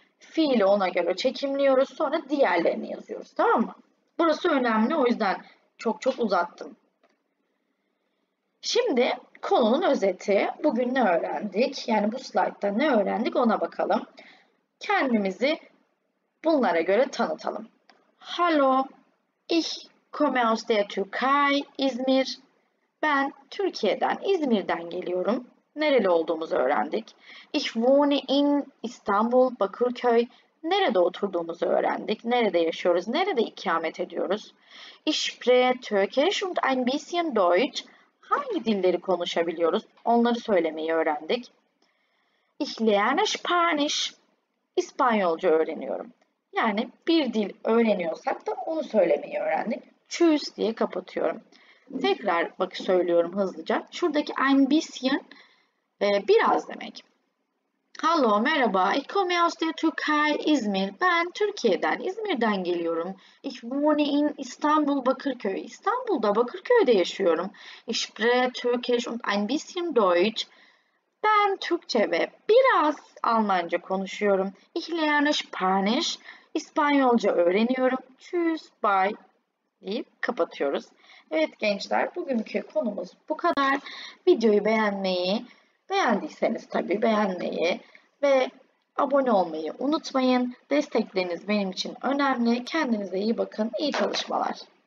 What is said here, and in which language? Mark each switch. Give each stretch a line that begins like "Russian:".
Turkish: Fiili ona göre çekimliyoruz. Sonra diğerlerini yazıyoruz. Tamam mı? Burası önemli. O yüzden çok çok uzattım. Şimdi konunun özeti. Bugün ne öğrendik? Yani bu slaytta ne öğrendik ona bakalım. Kendimizi bunlara göre tanıtalım.
German: Hallo, ich komme aus der Türkei, İzmir.
Turkish: Ben Türkiye'den, İzmir'den geliyorum. Nereli olduğumuzu öğrendik.
German: Ich wohne in İstanbul, Bakırköy.
Turkish: Nerede oturduğumuzu öğrendik. Nerede yaşıyoruz, nerede ikamet ediyoruz.
German: Ich spreche Türkisch und ein bisschen Deutsch.
Turkish: Hangi dilleri konuşabiliyoruz? Onları söylemeyi öğrendik.
German: Ich lerne Spanisch.
Turkish: İspanyolca öğreniyorum. Yani bir dil öğreniyorsak da onu söylemeyi öğrendik. Tschüss diye kapatıyorum. Tekrar bak söylüyorum hızlıca. Şuradaki
German: ein bisschen
Turkish: biraz demek. Hallo, merhaba.
German: Ich komme aus der Türkei, İzmir.
Turkish: Ben Türkiye'den, İzmir'den geliyorum.
German: Ich wohne in İstanbul, Bakırköy.
Turkish: İstanbul'da, Bakırköy'de yaşıyorum.
German: Ich spreche Türkisch und ein bisschen Deutsch.
Turkish: Ben Türkçe ve biraz Almanca konuşuyorum. İhlenmiş Spanish, İspanyolca öğreniyorum. Tschüss, bye deyip kapatıyoruz. Evet gençler, bugünkü konumuz bu kadar. Videoyu beğenmeyi, beğendiyseniz tabii beğenmeyi ve abone olmayı unutmayın. Destekleriniz benim için önemli. Kendinize iyi bakın. İyi çalışmalar.